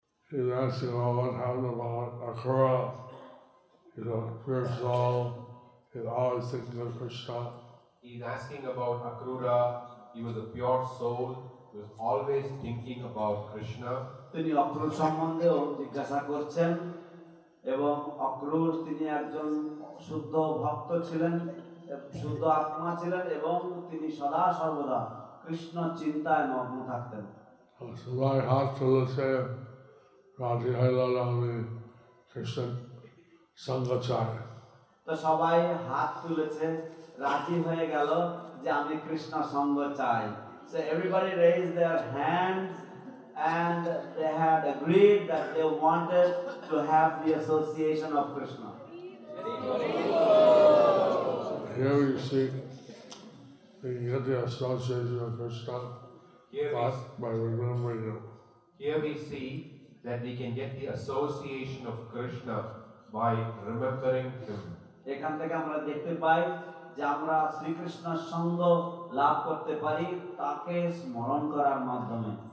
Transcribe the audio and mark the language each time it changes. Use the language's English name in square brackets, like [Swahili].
[English] He's asking, well, what happened about Akura? He's a pure soul, he's always thinking of Krishna. He's asking about Akrura, he was a pure soul, he was always thinking about Krishna. [Bangla] তিনি অক্রুর সম্বন্ধেও জিজ্ঞাসা করছেন এবং অক্রুর তিনি একজন শুদ্ধ ভক্ত ছিলেন, শুদ্ধ আত্মা ছিলেন এবং তিনি সদা সর্বদা কৃষ্ণ চিন্তায় মগ্ন থাকতেন। সবাই হাত তুলেছে, রাজি হইলাম আমি কৃষ্ণ সঙ্গচারে। তো সবাই হাত তুলেছে, রাজি হয়ে গেল যে আমি কৃষ্ণ সঙ্গ চাই। So everybody raise their hands [English] and they had agreed that they wanted to have the association of Krishna. Here we see we get the association of Krishna by remembering him. Here we see that we can get the association of Krishna by remembering him. [Bangla] এখান থেকে আমরা দেখতে পাই যে আমরা শ্রীকৃষ্ণের সঙ্গ লাভ করতে পারি তাকে স্মরণ করার মাধ্যমে।